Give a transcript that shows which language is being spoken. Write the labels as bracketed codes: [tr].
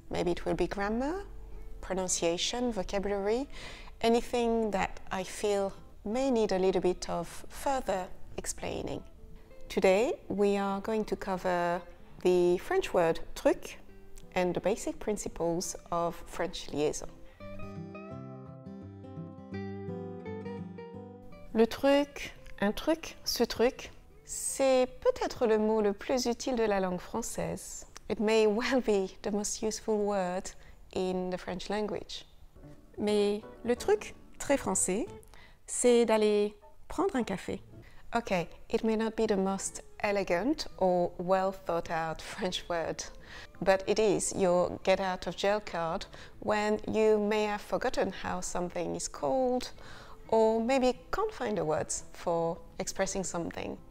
[en] Maybe it will be grammar, pronunciation, vocabulary, anything that I feel may need a little bit of further explaining. Today, we are going to cover the French word truc and the basic principles of French liaison. [fr] Le truc, un truc, ce truc, c'est peut-être le mot le plus utile de la langue française. [en] It may well be the most useful word in the French language. [fr] Mais le truc, très français, c'est d'aller prendre un café. [en] Okay, it may not be the most elegant or well thought out French word, but it is your get out of jail card when you may have forgotten how something is called, or maybe can't find the words for expressing something.